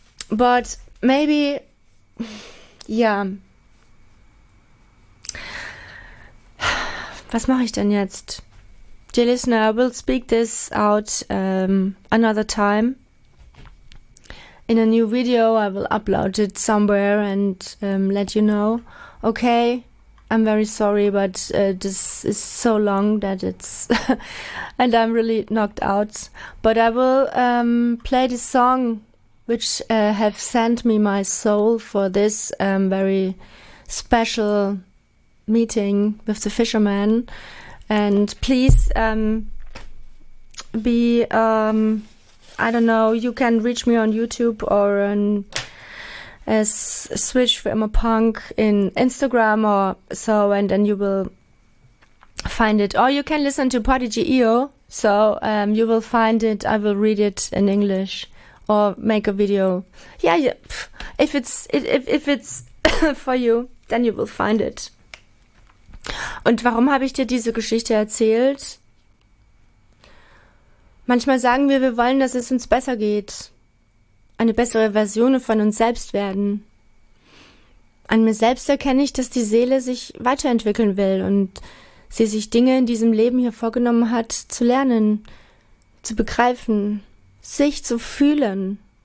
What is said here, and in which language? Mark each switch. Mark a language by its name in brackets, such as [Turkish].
[English] But maybe, ja. Yeah. [German] Was mache ich denn jetzt? [English] Dear listener, I will speak this out another time. In a new video, I will upload it somewhere and let you know. Okay, I'm very sorry, but this is so long that it's and I'm really knocked out. But I will play the song which have sent me my soul for this very special meeting with the fisherman. And please be I don't know, you can reach me on YouTube or on Switch for Emma Punk in Instagram or so, and then you will find it. Or you can listen to Podigy.io, so you will find it. I will read it in English or make a video. Yeah. If it's for you, then you will find it. [German] Und warum habe ich dir diese Geschichte erzählt? Manchmal sagen wir, wir wollen, dass es uns besser geht, eine bessere Version von uns selbst werden. An mir selbst erkenne ich, dass die Seele sich weiterentwickeln will und sie sich Dinge in diesem Leben hier vorgenommen hat, zu lernen, zu begreifen, sich zu fühlen.